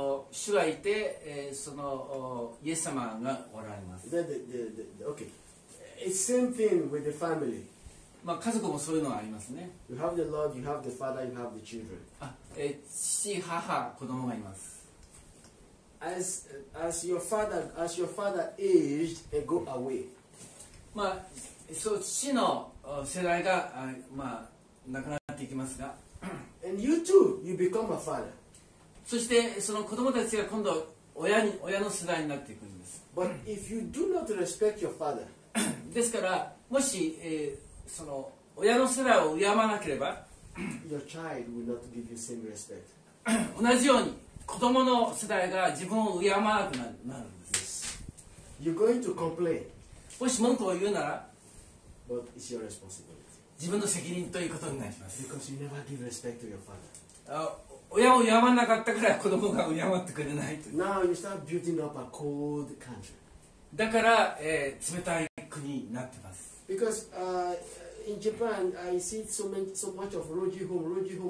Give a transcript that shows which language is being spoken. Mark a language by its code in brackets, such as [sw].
[ja] 主がいて、そのイエス様がおられます。 [en] Okay. It's same thing with the family. [ja] まあ、家族もそういうのがありますね。 [en] You have the Lord, you have the Father, you have the children. [ja] 父、母、子供がいます。 [en] As your father aged and go away. [ja] まあ、そう父の世代が、まあ、亡くなっていきますが。 [en] And you too, you become a father. [ja] そしてその子供たちが今度親の世代になっていくんです。 [en] But if you do not respect your father, [ja] ですからもし、その親の世代を敬わなければ [en] Your child will not give you same respect. [ja] 同じように子供の世代が自分を敬わなくなるんです。 [en] Yes. You're going to complain. [ja] もし文句を言うなら [en] But it's your responsibility. [ja] 自分の責任ということになります。 [en] Because you never give respect to your father. [ja] 親を敬わなかったから子供が敬ってくれないという。 [en] Now you start building up a cold country. [ja] だから、冷たい国になってます。 [en] Because in Japan, I see so much of roji home,